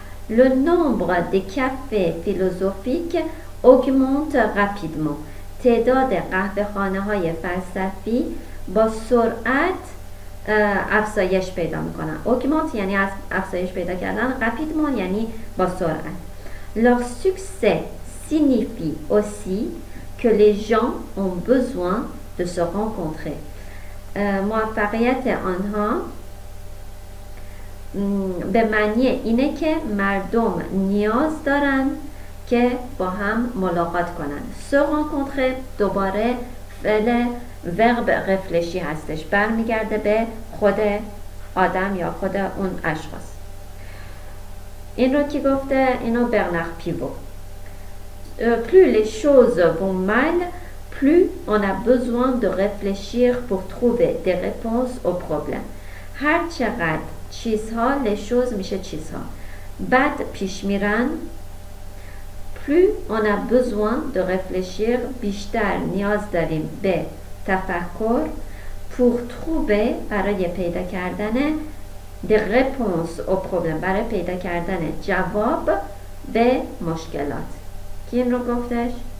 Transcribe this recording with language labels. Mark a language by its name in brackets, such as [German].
[French] Le nombre de cafés philosophiques augmente rapidement. [Persian] تعداد قهوه‌خانه های فلسفی با سرعت افزایش پیدا میکنن. Augmente یعنی افزایش پیدا کردن. Rapidement یعنی با سرعت. [French] Leur succès signifie aussi que les gens ont besoin de se rencontrer. [Persian] موفقیت آنها به معنی اینه که مردم نیاز دارن که با هم ملاقات کنن. Se rencontrer دوباره فعل ورب رفلشی هستش. برمیگرده به خود آدم یا خود اون اشخاص. این رو کی گفته؟ اینو برنار پیوو. [French] Plus les choses vont mal, plus on a besoin de réfléchir pour trouver des réponses aux problèmes. [Persian] هر چقدر چیزها لشوز میشه چیزها بعد پیش میرن [French] plus on a besoin de réfléchir [Persian] بیشتر نیاز داریم به تفکر [French] pour trouver [Persian] برای پیدا کردن [French] des réponses aux problèmes [Persian] برای پیدا کردن جواب به مشکلات کی این رو گفتش؟